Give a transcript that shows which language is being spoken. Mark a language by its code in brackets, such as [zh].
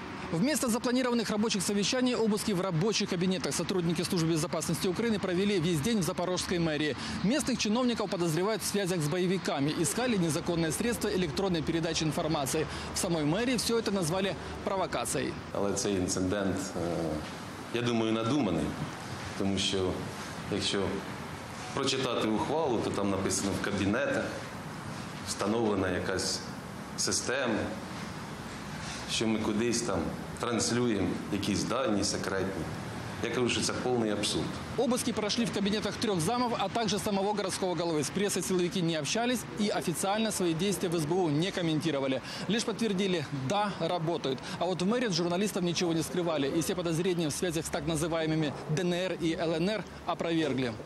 [ru] Вместо запланированных рабочих совещаний обыски в рабочих кабинетах сотрудники службы безопасности Украины провели весь день в Запорожской мэрии. Местных чиновников подозревают в связях с боевиками. Искали незаконные средства электронной передачи информации. В самой мэрии все это назвали провокацией. Но этот инцидент, я думаю, надуманный. Потому что, если прочитать ухвалу, то там написано в кабинетах, встановлена какая-то система, [uk] що ми кудись там транслюємо якісь дані секретні. Я кажу, що це повний абсурд. [ru] Обыски прошли в кабинетах трех замов, а также самого городского головы. С прессой силовики не общались и официально свои действия в СБУ не комментировали. Лишь подтвердили, да, работают. А вот в мэрии журналистам ничего не скрывали. И все подозрения в связях с так называемыми ДНР и ЛНР опровергли.